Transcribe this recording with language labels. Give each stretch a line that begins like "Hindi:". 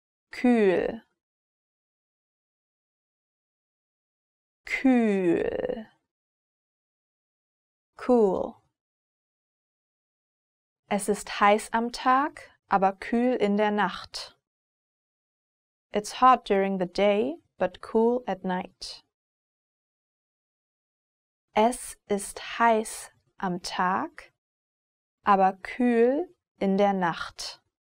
German: Kühl. Kühl.
English: Cool.
German: Es ist heiß am Tag, aber kühl in der Nacht.
English: It's hot during the day, but cool at night.
German: Es ist heiß am Tag, aber kühl in der Nacht.